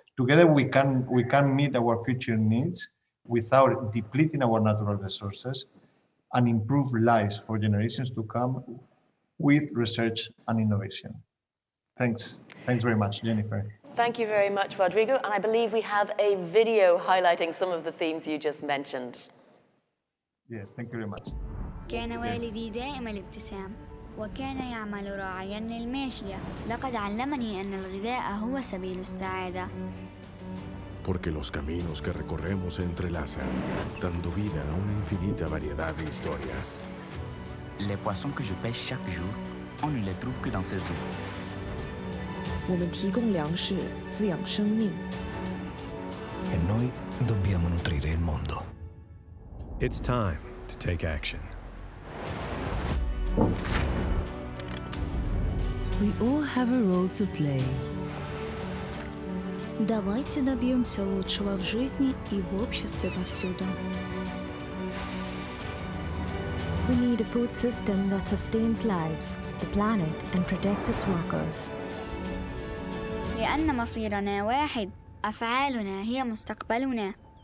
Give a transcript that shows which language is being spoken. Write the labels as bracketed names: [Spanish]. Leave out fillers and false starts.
[English] Together we can meet our future needs without depleting our natural resources and improve lives for generations to come with research and innovation. Thanks very much, Jennifer. Thank you very much, Rodrigo. And I believe we have a video highlighting some of the themes you just mentioned. Yes, thank you very much. [Arabic] كان والدي دائما الابتسام وكان يعمل راعيا للماشية. لقد علمني أن الغذاء هو سبيل السعادة. [Spanish] Porque los caminos que recorremos se entrelazan, dando vida a una infinita variedad de historias. [French] Les poissons que je pêche chaque jour, on ne les trouve que dans ces eaux. [Chinese] 我们提供粮食，滋养生命。 [Italian] E noi dobbiamo nutrire il mondo. [English] It's time to take action. We all have a role to play. [Russian] Давайте добьемся лучшего в жизни и в обществе повсюду. [English] We need a food system that sustains lives, the planet, and protects its workers. [Arabic] لأن مصيرنا واحد، أفعالنا هي مستقبلنا.